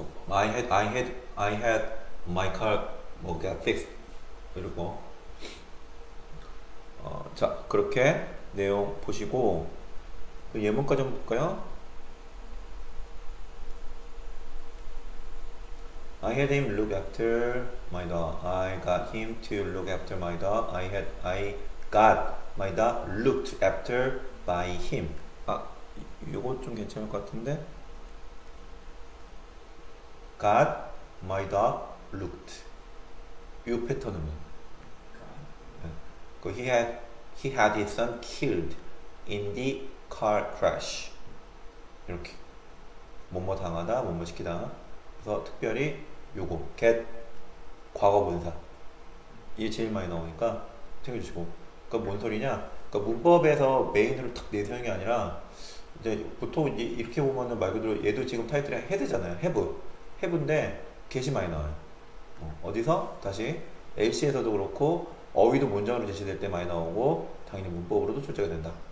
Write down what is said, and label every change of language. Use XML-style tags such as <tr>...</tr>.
<en>I had my car will get fixed</en> <ko>이러고 자 그렇게 내용 보시고 그 예문까지 한번 볼까요?</ko> <en>I had him look after my dog. I got him to look after my dog. I got my dog looked after by him.</en> <ko>아, 이거 좀 괜찮을 것 같은데?</ko> <en>Got my dog looked.</en> <ko>이 패턴은 뭐? 네.</ko> <en>He had his son killed in the car crash.</en> <ko>이렇게. 뭐뭐 당하다, 뭐뭐 시키다. 그래서 특별히 요거 get 과거분사 이게 제일 많이 나오니까 챙겨주시고 그니까 뭔 소리냐 그니까 문법에서 메인으로 탁 내세우는 게 아니라 이제 보통 이렇게 보면은 말 그대로 얘도 지금 타이틀이 헤드잖아요 헤브인데 get이 많이 나와요 어디서 다시 else에서도 그렇고 어휘도 문장으로 제시될 때 많이 나오고 당연히 문법으로도 출제가 된다</ko>